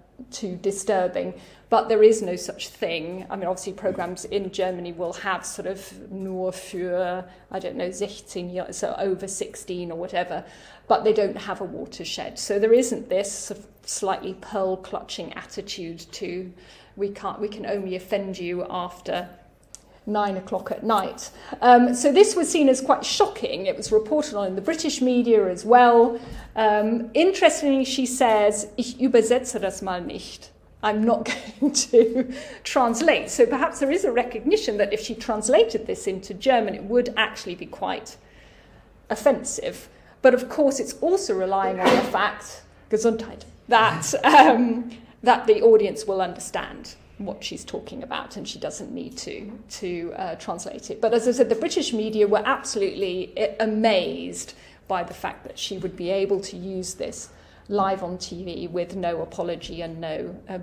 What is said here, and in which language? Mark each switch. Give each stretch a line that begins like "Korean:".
English: too disturbing, but there is no such thing. I mean, obviously, programs in Germany will have sort of
German: nur für,
English: I don't know, 16 years, so over 16 or whatever, but they don't have a watershed. So there isn't this sort of slightly pearl clutching attitude to we can only offend you after 9 o'clock at night. So this was seen as quite shocking. It was reported on in the British media as well. Interestingly, she says,
German: ich übersetze das mal nicht.
English: I'm not going to translate. So perhaps there is a recognition that if she translated this into German, it would actually be quite offensive. But of course, it's also relying on the fact,
German: Gesundheit,
English: that the audience will understand what she's talking about, and she doesn't need to translate it. But as I said, the British media were absolutely amazed by the fact that she would be able to use this live on TV with no apology and no